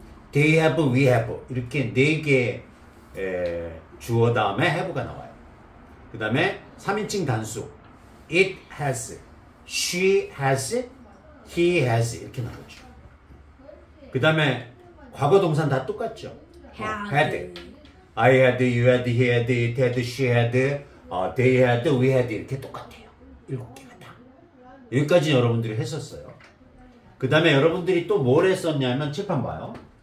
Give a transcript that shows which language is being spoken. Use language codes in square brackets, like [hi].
[en] They have, we have. [ko] 이렇게 네 개의 주어 다음에 have가 나와요. 그 다음에 3인칭 단수. [en] It has. She has, he has [ko] 이렇게 나오죠. 그 다음에 과거 동사는 다 똑같죠. Had. [en] I had, you had, he had, it had, she had, they had, we had [ko] 이렇게 똑같아요. 일곱 개가 다. 여기까지 여러분들이 했었어요. 그 다음에 여러분들이 또 뭘 했었냐면 책 한번 봐요.